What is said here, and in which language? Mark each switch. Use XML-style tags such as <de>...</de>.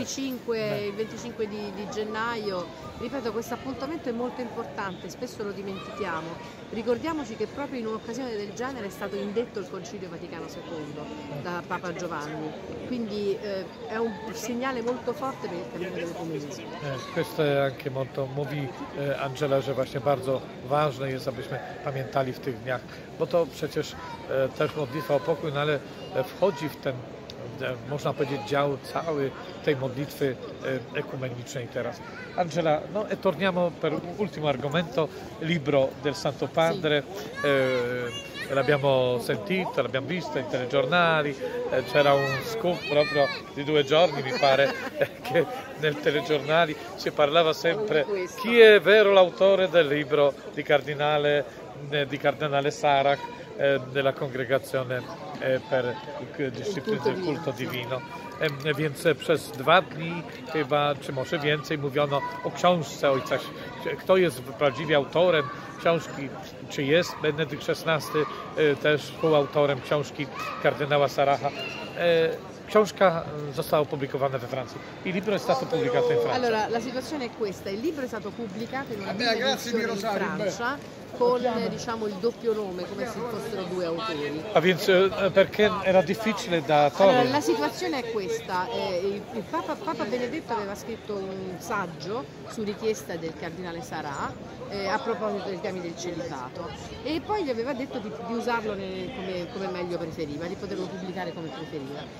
<it>Il 25 di gennaio. Ripeto, questo appuntamento è molto importante, spesso lo dimentichiamo. Ricordiamoci che proprio in un'occasione del genere è stato indetto il Concilio Vaticano II da Papa Giovanni. Quindi è un segnale molto forte per il cammino dell'ecumenismo. Questo è anche molto,</it> <pl>mówi Angela, że właśnie bardzo ważne jest, abyśmy pamiętali w tych dniach, bo to przecież też modlitwa o pokój, no ale wchodzi w ten, można powiedzieć, dział cały tej modlitwy ekumenicznej teraz.</pl> <it>Angela, no e torniamo per ultimo argomento, libro del Santo Padre, l'abbiamo sentito, l'abbiamo visto in telegiornali, c'era un scoop proprio di due giorni, mi pare, che nel telegiornali si parlava sempre chi è vero l'autore del libro di Cardinale Sarach della Congregazione per Disciplina del Culto Divino.</it> <pl>Więc przez dwa dni chyba, czy może więcej, mówiono o książce ojca, kto jest prawdziwie autorem książki, czy jest Benedykt XVI też współautorem książki kardynała Saracha. Książka została opublikowana we Francji.</pl> <it>Il libro è stato pubblicato in Francia. Allora, la situazione è questa. Il libro è stato pubblicato in una edizione in Francia, con, diciamo, il doppio nome, come se fossero due autori. Ah, Vince, perché era difficile da togliere? Allora, la situazione è questa. Il Papa Benedetto aveva scritto un saggio su richiesta del Cardinale Sarà a proposito dei temi del celibato, e poi gli aveva detto di usarlo come meglio preferiva, di poterlo pubblicare come preferiva.</it>